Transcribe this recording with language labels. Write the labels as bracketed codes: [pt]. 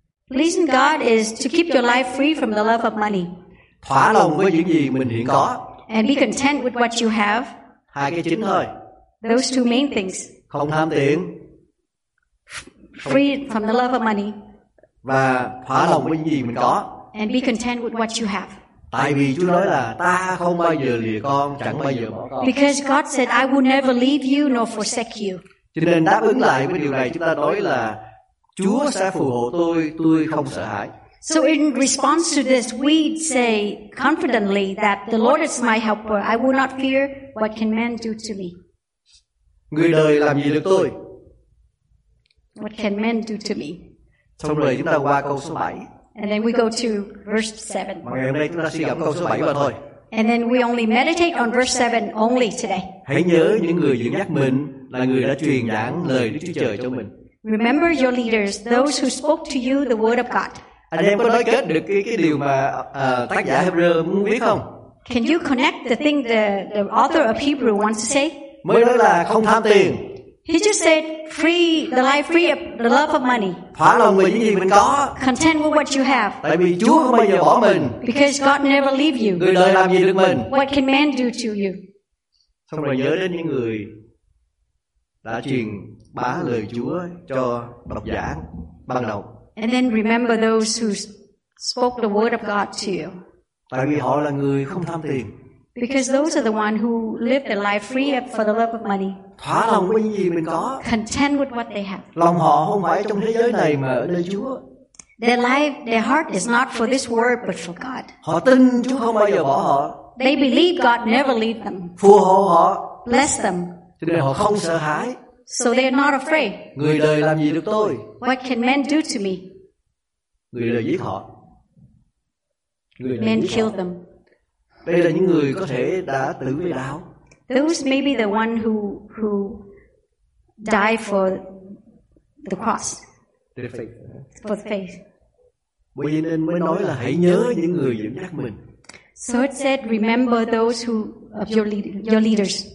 [en] Pleasing God is to keep your life free from the love of money. [vi] Thỏa lòng với những gì mình hiện có. [en] And be content with what you have. [vi] Hai cái chính thôi. [en] Those two main things. [vi] Không tham tiền. [en] Free from the love of money. [vi] Và thỏa lòng với những gì mình có. [en] And be content with what you have. [vi] Tại vì Chúa nói là ta không bao giờ lìa con, chẳng bao giờ bỏ con. [en] Because God said, I will never leave you nor forsake you. [vi] Cho nên đáp ứng lại với điều này, chúng ta nói là Chúa sẽ phù hộ tôi không sợ hãi. [en] So in response to this, we say confidently that the Lord is my helper. I will not fear what can man do to me. [vi] Người đời làm gì được tôi? [en] What can man do to me? [vi] Xong rồi chúng ta qua câu số 7. [en] And then we go to verse 7. [vi] Mà ngày hôm nay chúng ta suy gẫm câu số 7 mà thôi. [en] And then we only meditate on verse 7 only today. [vi] Hãy nhớ những người dẫn dắt mình là người đã truyền giảng lời Đức Chúa Trời cho mình. [en] Remember your leaders, those who spoke to you the word of God. [vi] Anh em có nói kết được cái điều mà tác giả Hebrew muốn viết không? [en] Can you connect the thing the author of Hebrew wants to say? [vi] Mới nói là không tham tiền. [en] He just said, free the life, free of the love of money. [vi] Thỏa lòng với những gì mình có. [en] Content with what you have. [vi] Tại vì Chúa không bao giờ bỏ mình. [en] Because God never leave you. [vi] Người đời làm gì được mình? [en] What can man do to you? [vi] Xong rồi nhớ đến những người đã truyền bá lời Chúa cho độc giả ban đầu. [en] And then remember those who spoke the word of God to you. [vi] Tại vì họ là người không tham tiền. [en] Because those are the one who live their life free for the love of money. [vi] Thỏa lòng với những gì mình có. [en] Content with what they have. [vi] Lòng họ không phải trong thế giới này mà ở nơi Chúa. [en] Their life, their heart is not for this world but for God. [vi] Họ tin Chúa không bao giờ bỏ họ. [en] They believe God never leave them. [vi] Phù hộ họ. [en] Bless them. [vi] Cho nên họ không sợ hãi. [en] So they are not afraid. [vi] Người đời làm gì được tôi? [en] What can men do to me? [vi] Người đời giết họ. Người đời [en] men kill them. [vi] Đây là những người có thể đã tử với đạo. [en] Those may be the one who died for the cross. The faith. For the faith. [vi] Vì nên mới nói là hãy nhớ những người dẫn dắt mình. [en] So it said, remember those who of your leaders.